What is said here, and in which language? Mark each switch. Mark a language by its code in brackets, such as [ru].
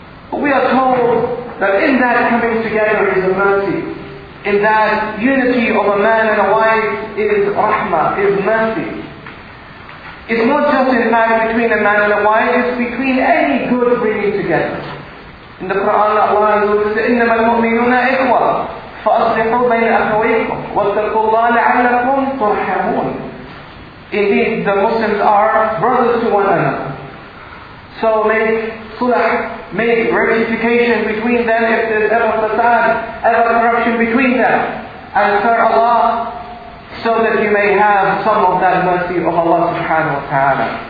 [en] But we are told that in that coming together is a mercy. In that unity of a man and a wife, it is rahmah, it is mercy. It's not just in fact between a man and a wife, it's between any good bringing together. In the Quran, Allah says, [ar] إِنَّمَا الْمُؤْمِنُونَ إِخْوَى فَأَصْلِحُوا بَيْنَ أَخَوَيْكُمْ وَاتَّقُوا اللَّهَ لَعَلَّكُمْ تُرْحَمُونَ. [en] Indeed, the Muslims are brothers to one another. So make sulah, make rectification between them if there's ever fasad, ever corruption between them. And fear Allah, so that you may have some of that mercy of Allah subhanahu wa ta'ala.